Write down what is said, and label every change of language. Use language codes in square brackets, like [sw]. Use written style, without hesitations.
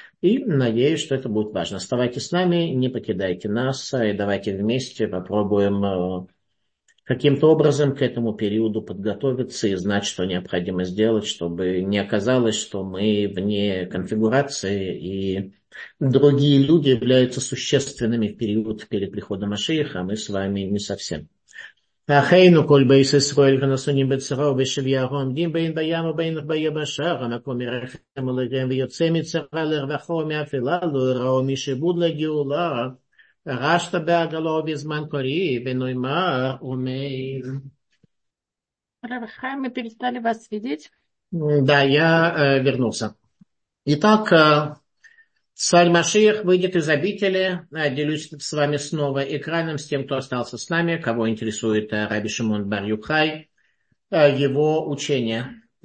[ru] И надеюсь, что это будет важно. Оставайтесь с нами, не покидайте нас, и давайте вместе попробуем каким-то образом к этому периоду подготовиться и знать, что необходимо сделать, чтобы не оказалось, что мы вне конфигурации, и другие люди являются существенными в период перед приходом Машиаха, а мы с вами не совсем. [he] אחינו כל בית ישראל הנשואים בצרה ובשביה העומדים בין בים ובין ביבשה המקום ירחם עליכם ויוצא מצרה לרווחה ומאפלה לרעה ומשעבוד לגאולה רשת בעגלה ובזמן קורי ונאמר ומאיר [ru] רווחה, мы перестали вас видеть. Да, я вернулся. Итак, царь Машиах выйдет из обители, делюсь с вами снова экраном, с тем, кто остался с нами, кого интересует Раби Шимон бар Йохай, его учение.